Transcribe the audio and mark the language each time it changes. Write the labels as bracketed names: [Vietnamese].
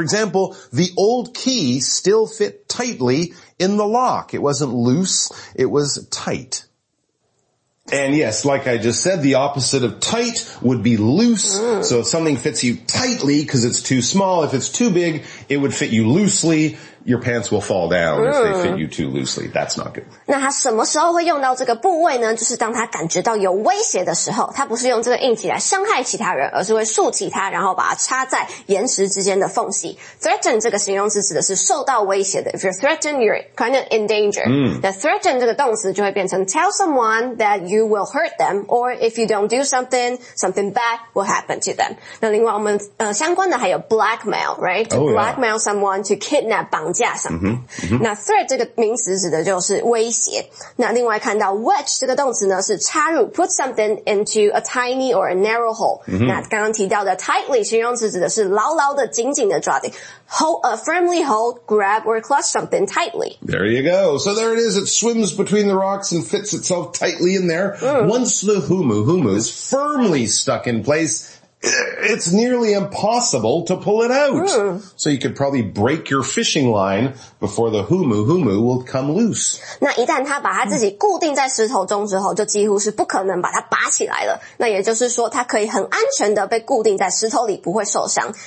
[English] For example, the old key still fit tightly in the lock. It wasn't loose. It was tight. And yes, like I just said, the opposite of tight would be loose. So if something fits you tightly because it's too small, if it's too big, it would fit you loosely. Your pants will fall down if they fit you too loosely. That's not good. [Chinese] 那他什么时候会用到这个部位呢？就是当他感觉到有威胁的时候，他不是用这个硬起来伤害其他人，而是会竖起它，然后把它插在岩石之间的缝隙。 Threaten 这个形容词指的是受到威胁的。 [English] If you're threatened, you're kind of in danger. The threaten [Chinese] 这个动词就会变成 [English] tell someone that you will hurt them, or if you don't do something, something bad will happen to them. [Chinese] 那另外我们相关的还有 [English] blackmail, right? To blackmail someone to kidnap [Chinese] 绑架什么？那 threat 这个名词指的就是威胁。那另外看到 wedge 这个动词呢，是插入 ， [English] put something into a tiny or a narrow hole。 [Chinese] 那刚刚提到的 tightly 形容词指的是牢牢的、紧紧的抓紧。 [English] Firmly hold, grab, or clutch something tightly. There you go. So there it is. It swims between the rocks and fits itself tightly in there. Once the humu is firmly stuck in place, it's nearly impossible to pull it out. So you could probably break your fishing line before the humu will come loose. [Chinese] 那一旦他把他自己固定在石头中之后，就几乎是不可能把它拔起来了。那也就是说，他可以很安全的被固定在石头里，不会受伤。